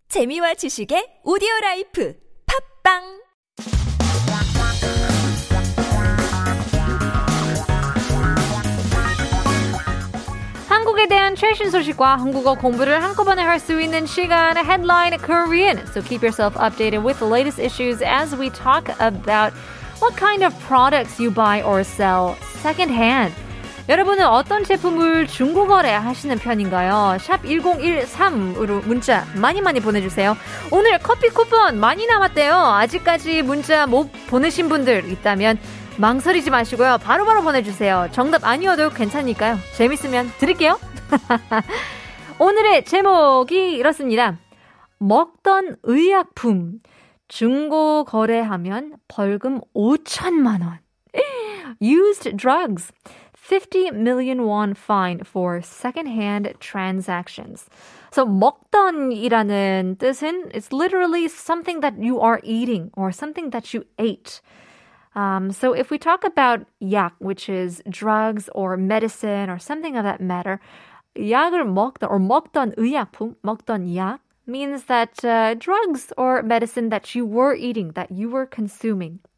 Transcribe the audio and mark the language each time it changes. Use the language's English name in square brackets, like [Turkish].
[Korean] 재미와 지식의 오디오 라이프. 팟빵! 한국에 대한 최신 소식과 한국어 공부를 한꺼번에 할 수 있는 시간, Headline Korean. [English] So keep yourself updated with the latest issues as we talk about what kind of products you buy or sell secondhand. [Korean] 여러분은 어떤 제품을 중고거래 하시는 편인가요? 샵 1013으로 문자 많이 많이 보내주세요. 오늘 커피 쿠폰 많이 남았대요. 아직까지 문자 못 보내신 분들 있다면 망설이지 마시고요. 바로바로 보내주세요. 정답 아니어도 괜찮으니까요. 재밌으면 드릴게요. 오늘의 제목이 이렇습니다. 먹던 의약품 중고거래하면 벌금 5천만 원. [English] Used drugs. 50 million won fine for secondhand transactions. So [Korean] 먹던이라는 뜻은 [English] it's literally something that you are eating or something that you ate. So if we talk about 약, which is drugs or medicine or something of that matter, [Korean] 약을 먹다 [English] or [Korean] 먹던 의약품, 먹던 약 [English] means that drugs or medicine that you were eating, that you were consuming.